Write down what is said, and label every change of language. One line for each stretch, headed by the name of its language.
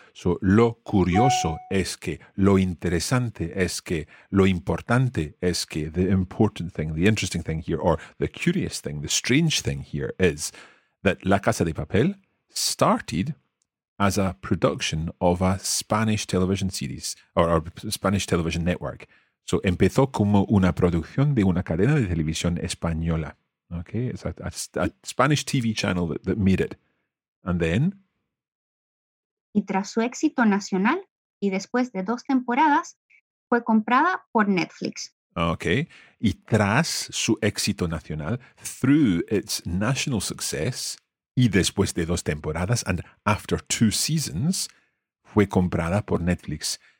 English: So,
Spanish: lo curioso es que,
English: lo interesante es que, lo importante es que, the important thing, the interesting thing here, or the curious thing, the strange thing here is that La Casa de Papel started as a production of a Spanish television series or a Spanish television network.
Spanish: So, empezó como una producción de una cadena de televisión española.
English: Okay, it's a Spanish TV channel that made it. And then?
Spanish: Y tras su éxito nacional, y después de dos temporadas, fue comprada por Netflix. Okay, y tras su éxito nacional,
English: through its national success,
Spanish: y después de dos temporadas,
English: and after two seasons,
Spanish: fue comprada por Netflix.